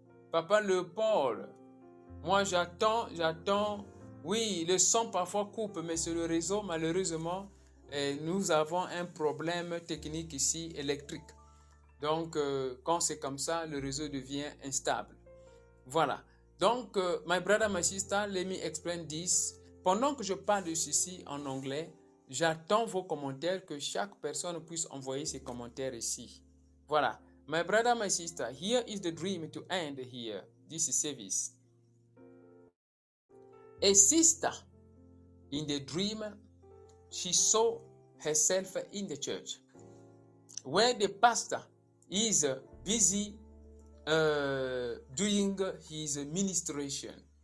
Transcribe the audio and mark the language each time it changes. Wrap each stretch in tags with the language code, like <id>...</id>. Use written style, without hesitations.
<fr>Papa Léopold. Moi, j'attends. Oui, le son parfois coupe, mais c'est le réseau. Malheureusement, nous avons un problème technique ici, électrique. Donc, quand c'est comme ça, le réseau devient instable. Voilà.</fr> <en>Donc, my brother, my sister, let me explain this.</en> <fr>Pendant que je parle de ceci en anglais, j'attends vos commentaires, que chaque personne puisse envoyer ses commentaires ici. Voilà.</fr> <en>My brother, my sister, here is the dream to end here, this service. A sister, in the dream, she saw herself in the church, where the pastor is busy doing his ministration.</en>